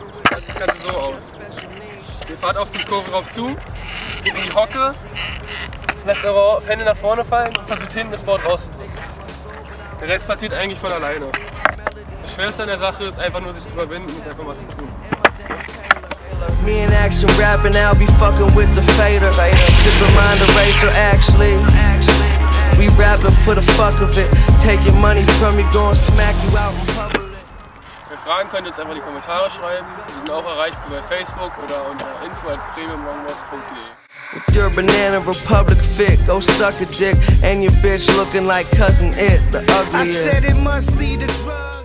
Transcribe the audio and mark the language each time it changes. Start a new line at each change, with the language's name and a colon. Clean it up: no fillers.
German: Also das Ganze so aus. Ihr fahrt auf die Kurve drauf zu, geht in die Hocke, lasst eure Hände nach vorne fallen und versucht hinten das Board rauszudrücken. Der Rest passiert eigentlich von alleine. Das Schwerste an der Sache ist einfach nur sich zu überwinden und es einfach mal zu tun.
English: Me in action rapping, I'll be fucking with the fader. Sipping mind eraser, actually. We rapping for the fuck of it. Taking money from you, going smack you out in public.
German: Wenn Fragen könnt ihr uns einfach in die Kommentare schreiben. Die sind auch erreichbar bei Facebook oder unter info@premiumlongboards.de.
English: With your Banana Republic fit, go suck a dick. And your bitch looking like cousin it, the ugliest. I said it must be the drug.